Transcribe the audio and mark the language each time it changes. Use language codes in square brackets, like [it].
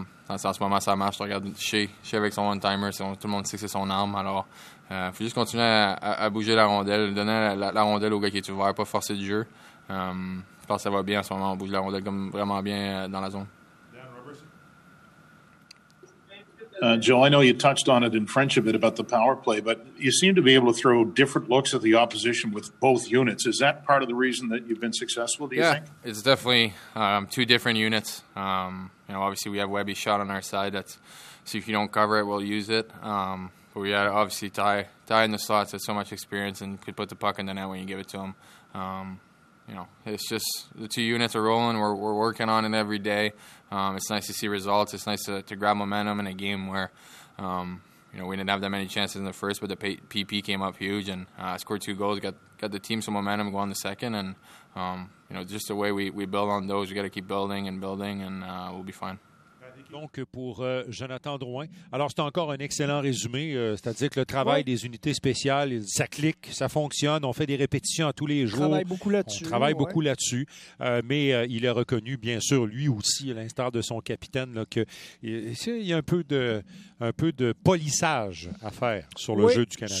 [fr] En ce moment, ça marche. Je regarde Shea avec son one-timer. Tout le monde sait que c'est son arme. Alors, il faut juste continuer à bouger la rondelle, donner la rondelle au gars qui est ouvert, pas forcer du jeu. Je pense que ça va bien en ce moment. On bouge la rondelle comme vraiment bien dans la zone. [en] Joe, I know you touched on it in French a bit about the power play, but you seem to be able to throw different looks at the opposition with both units. Is that part of the reason that you've been successful, do you think? Yeah, it's definitely two different units. Obviously, we have Webby shot on our side. So if you don't cover it, we'll use it. But we had, obviously, Ty in the slots has so much experience and could put the puck in the net when you give it to him. It's just the two units are rolling. We're working on it every day. It's nice to see results. It's nice to grab momentum in a game where, we didn't have that many chances in the first, but the PP came up huge and scored 2 goals, got the team some momentum going the second. And, just the way we build on those, we got to keep building and building, and we'll be fine. Patrick, [fr] Donc, pour Jonathan Drouin. Alors, c'est encore un excellent résumé, c'est-à-dire que le travail des unités spéciales, ça clique, ça fonctionne. On fait des répétitions à tous les jours. On travaille beaucoup là-dessus. On travaille beaucoup là-dessus. Mais il est reconnu, bien sûr, lui aussi, à l'instar de son capitaine, là, qu'il y a un peu de polissage à faire sur le jeu du Canadien.